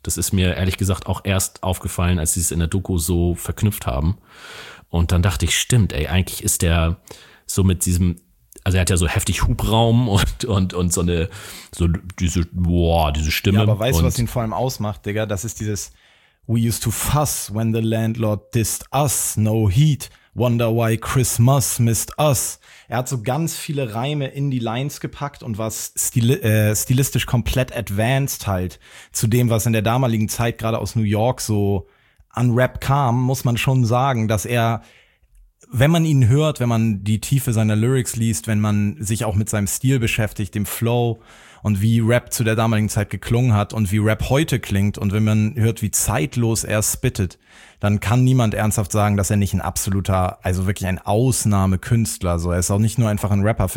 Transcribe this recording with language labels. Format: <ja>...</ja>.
<de>Das ist mir ehrlich gesagt auch erst aufgefallen, als sie es in der Doku so verknüpft haben. Und dann dachte ich, stimmt, ey, eigentlich ist der so mit diesem, also er hat ja so heftig Hubraum und so eine, so diese, boah, diese Stimme. Ja, aber weißt du, was ihn vor allem ausmacht, Digga? Das ist dieses,</de> <en>we used to fuss when the landlord dissed us, no heat. Wonder why Christmas missed us.</en> <de>Er hat so ganz viele Reime in die Lines gepackt und was stilistisch komplett advanced halt zu dem, was in der damaligen Zeit gerade aus New York so an Rap kam, muss man schon sagen, dass er, wenn man ihn hört, wenn man die Tiefe seiner Lyrics liest, wenn man sich auch mit seinem Stil beschäftigt, dem Flow und wie Rap zu der damaligen Zeit geklungen hat und wie Rap heute klingt und wenn man hört, wie zeitlos er spittet, dann kann niemand ernsthaft sagen, dass er nicht ein absoluter, also wirklich ein Ausnahmekünstler, so. Er ist auch nicht nur einfach ein Rapper.</de>